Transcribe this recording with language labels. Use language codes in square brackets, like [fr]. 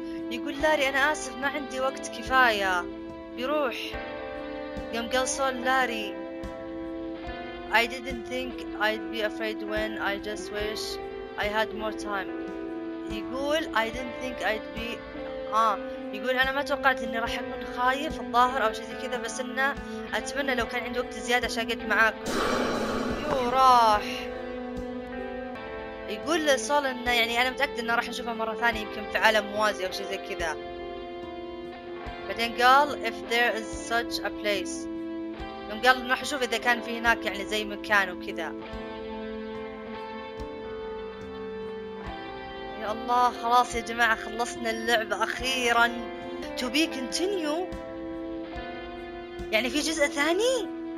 [ar] يقول لاري انا اسف ما عندي وقت كفاية. بيروح. قام قال [en] سول لاري I didn't think I'd be afraid when I just wish I had more time. [ar] يقول [en] I didn't think I'd be [ar] يقول أنا ما توقعت إني راح أكون خايف الظاهر أو شيء زي كذا بس إنه أتمنى لو كان عندي وقت زيادة عشان أقعد معاكم. يو راح. يقول لسول إنه يعني أنا متأكد إنه راح نشوفه مرة ثانية يمكن في عالم موازي أو شيء زي كذا. بعدين قال [en] if there is such a place. [ar] يوم قال راح اشوف اذا كان في هناك يعني زي مكان وكذا. يا الله خلاص يا جماعه خلصنا اللعبه اخيرا. [en] To be continue. [ar] يعني في جزء ثاني.